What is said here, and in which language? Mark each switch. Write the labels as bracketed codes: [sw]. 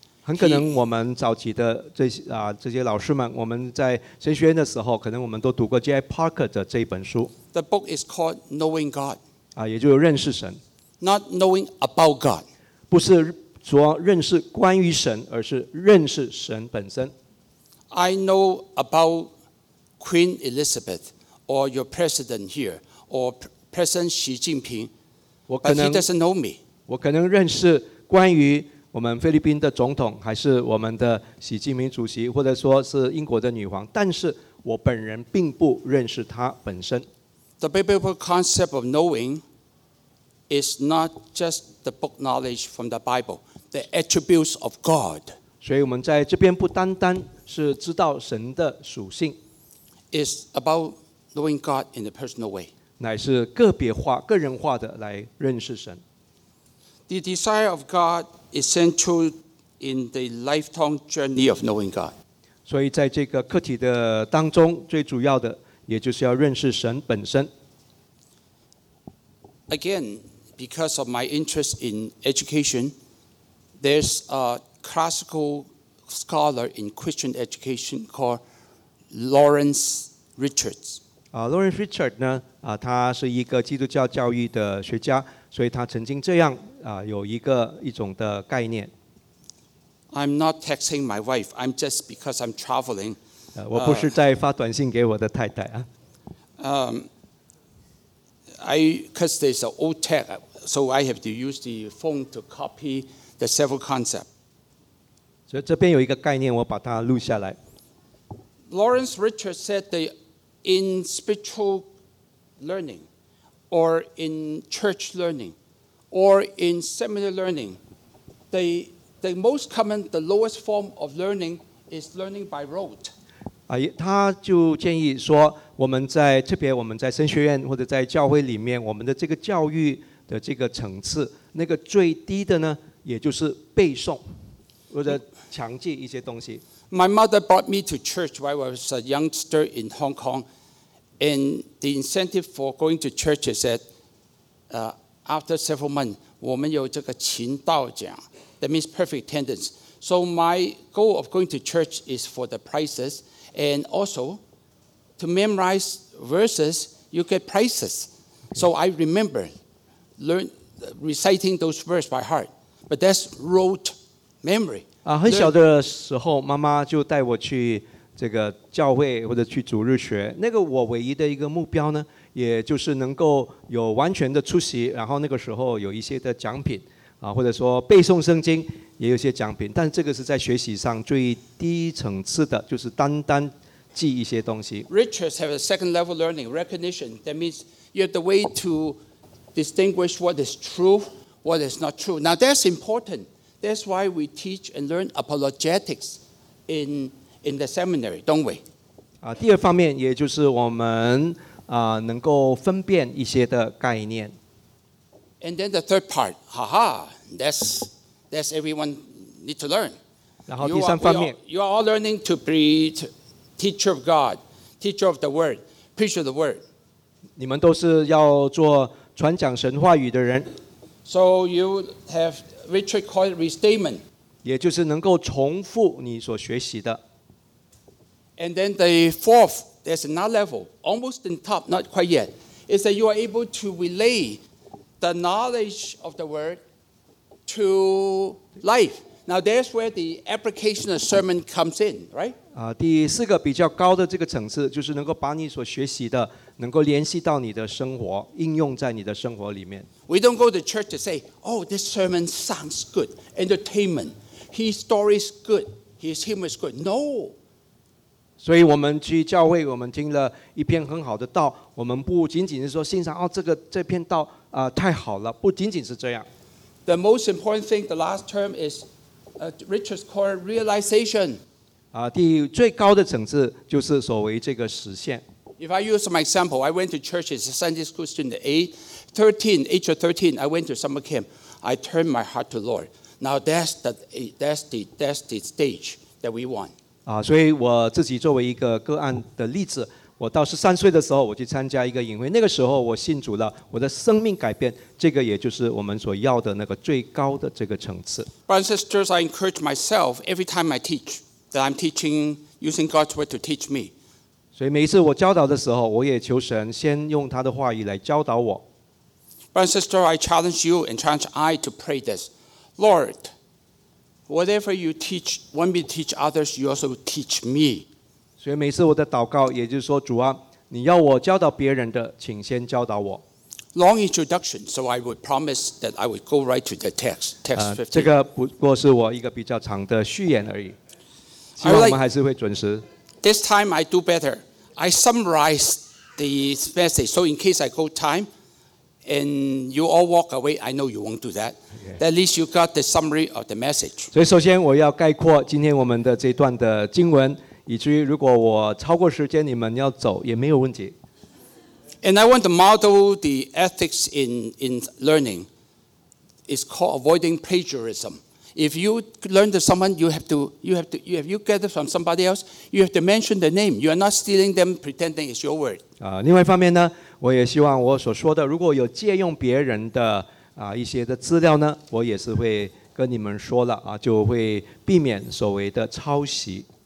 [zh] 很可能我们早期的这些老师们，我们在神学院的时候，可能我们都读过 J.I. Packer 的这本书。 [en] The book is called Knowing God. [zh] 也就是认识神。 [en] Not knowing about God. [zh] 不是说认识关于神，而是认识神本身。 [en] I know about Queen Elizabeth or your president here or President Xi Jinping, but he doesn't know me. [zh] 我可能认识关于我们菲律宾的总统，还是我们的习近平主席，或者说是英国的女皇，但是我本人并不认识他本身。 [en] The biblical concept of knowing. It's not just the book knowledge from the Bible, the attributes of God. [zh] 所以我们在这边不单单是知道神的属性。 [en] It's about knowing God in a personal way. [zh] 乃是个别化、个人化的来认识神。 [en] The desire of God is central in the lifelong journey of knowing God. [zh] 所以在这个课题的当中，最主要的也就是要认识神本身。 [en] Again, because of my interest in education, there's a classical scholar in Christian education called Lawrence Richards. [zh] Lauren Fitchard 呢，他是一个基督教教育的学家，所以他曾经这样有一种的概念。 [en] I'm not texting my wife. I'm just because I'm traveling. [zh] 我不是在发短信给我的太太啊。 [en] Because there's an old tech, so I have to use the phone to copy the several concepts. [zh] 所以这边有一个概念，我把它录下来。 [en] Lawrence Richard said that in spiritual learning, or in church learning, or in seminar learning, the most common, the lowest form of learning is learning by rote. [zh] 他就建议说，特别我们在神学院或者在教会里面，我们的这个教育的这个层次，那个最低的呢，也就是背诵或者强记一些东西。 [en] My mother brought me to church when I was a youngster in Hong Kong, and the incentive for going to church is that after several months, [zh] 我们有这个勤道奖 [en] that means perfect attendance. So my goal of going to church is for the prizes, and also to memorize verses, you get prizes. So I remember reciting those verses by heart, but that's rote memory. [zh] 很小的时候，妈妈就带我去这个教会或者去主日学。那个我唯一的一个目标呢，也就是能够有完全的出席，然后那个时候有一些的奖品啊，或者说背诵圣经也有些奖品。但这个是在学习上最低层次的，就是单单记一些东西。 [en] Richards have a second level learning recognition. That means you have the way to distinguish what is true, what is not true. Now that's important. That's why we teach and learn apologetics in the seminary, don't we? [zh] 第二方面也就是我们能够分辨一些的概念。 [en] And then the third part, that's everyone need to learn. [zh] 然后第三方面 [en] you are all learning to be teacher of God, teacher of the word, preacher of the word. [zh] 你们都是要做传讲神话语的人。 [en] So you have... Richard called it restatement. [zh] 也就是能够重复你所学习的。 [en] And then the fourth, there's another level, almost in top, not quite yet, is that you are able to relay the knowledge of the word to life. Now that's where the application of sermon comes in, right? [zh] 第四个比较高的这个层次，就是能够把你所学习的，能够联系到你的生活，应用在你的生活里面。 [en] We don't go to church to say, oh, this sermon sounds good. Entertainment. His story is good. His humor is good. No. [zh] 所以我们去教会，我们听了一篇很好的道，我们不仅仅是说欣赏，哦，这篇道太好了，不仅仅是这样。 [en] The most important thing, the last term is, Richard's called realization. [zh] 最高的层次就是所谓这个实现。 [en] If I use my example, I went to church as a Sunday school student at age of 13, I went to summer camp. I turned my heart to the Lord. Now that's the stage that we want. [zh] 所以我自己作为一个个案的例子，我到13岁的时候，我去参加一个营会，那个时候我信主了，我的生命改变，这个也就是我们所要的那个最高的这个层次。 [en] Brothers and sisters, I encourage myself every time I teach that I'm teaching using God's word to teach me. [zh] 所以每一次我教导的时候，我也求神先用他的话语来教导我。 [en] Brother and sister, I challenge you and challenge I to pray this. Lord, whatever you teach, want me to teach others, you also teach me. [zh] 所以每次我的祷告，也就是说，主啊，你要我教导别人的，请先教导我。 [en] Long introduction, so I would promise that I would go right to the text. Text 15. [zh] 这个不过是我一个比较长的序言而已。希望我们还是会准时。 [en] This time I do better. I summarize the message. So in case I go time and you all walk away, I know you won't do that. At least you got the summary of the message. [zh] 所以首先我要概括今天我们的这段的经文，以至于如果我超过时间，你们要走也没有问题。 [en] And I want to model the ethics in learning. It's called avoiding plagiarism. If you learn to someone, you get it from somebody else. You have to mention the name. You are not stealing them, pretending it's your word. [zh] 另外一方面呢，我也希望我所说的，如果有借用别人的一些的资料呢，我也是会跟你们说了就会避免所谓的抄袭。